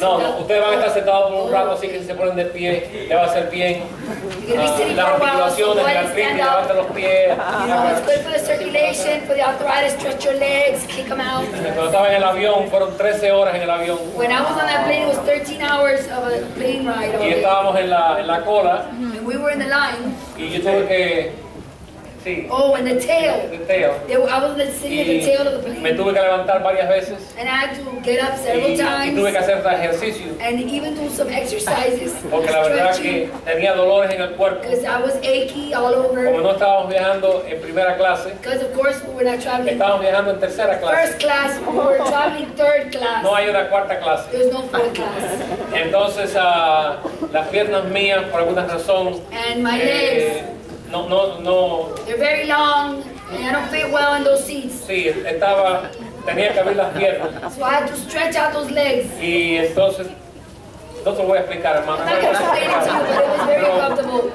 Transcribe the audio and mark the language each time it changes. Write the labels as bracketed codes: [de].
[es] No, no, ustedes van a estar sentados por un rato, así que si se ponen de pie, le va a hacer bien. La articulación, el calpín, levanta los pies. [en] You know, it's good for the circulation, for the arthritis, stretch your legs, kick them out. [es] Cuando estaba en el avión, fueron 13 horas en el avión. [en] When I was on that plane, it was 13 hours of a plane ride. [es] Y estábamos en la cola. [en] And we were in the line. [es] Y yo tuve que... Sí. [en] Oh, and the tail. The tail. I was in the city of the tail of the plane. [es] Me tuve que levantar varias veces. [en] And I had to get up several times. [es] Y tuve que hacer ejercicio. [en] And even do some exercises. [es] Porque la verdad que tenía dolores en el cuerpo. [en] Because I was achy all over. [es] Como no estábamos viajando en primera clase. [en] Because of course we were not traveling. [es] Estábamos viajando en tercera clase. [en] First class. We were traveling third class. [es] No hay una cuarta clase. [en] There's no fourth class. [es] Entonces, las piernas mías por alguna razón. [en] And my legs. [es] No. [en] They're very long, and I don't fit well in those seats. [es] Sí, estaba, tenía que abrir las piernas. [en] So I had to stretch out those legs. [es] Y entonces, no te lo voy a explicar, hermano. [en] I'm not going to explain it to you, but it was very uncomfortable.